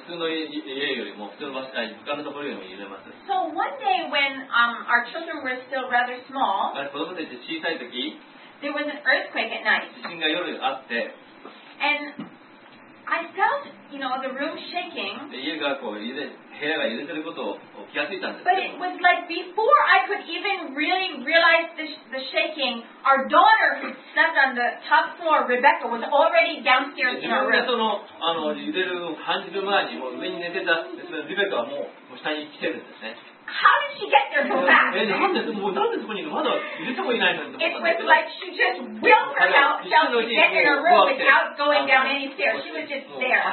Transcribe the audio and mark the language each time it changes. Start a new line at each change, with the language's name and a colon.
Japanese: 普通の家よりも普通の場所、他のところよりも揺れます。
English: So one day when our children were still rather small,
Japanese: 子供たち小さい時、
English: there was an earthquake at night.
Japanese: 地震が夜あって、
English: and I felt, you know, the room shaking.
Japanese: 家がこう揺れ、部屋が揺れてることを気がついたんです。
English: But it was like before I could even really realize the shaking, our daughter who slept on the top floor, Rebecca, was already downstairs in our room.
Japanese: その揺れる感じる前にもう上に寝てた、リベカはもう下に来てるんですね。
English: How did she get there so fast?
Japanese: なんでもうなんでそこにいるまだ揺れてもいないのに。
English: It was like she just willed herself to get in her room without going down any stairs. She was just there.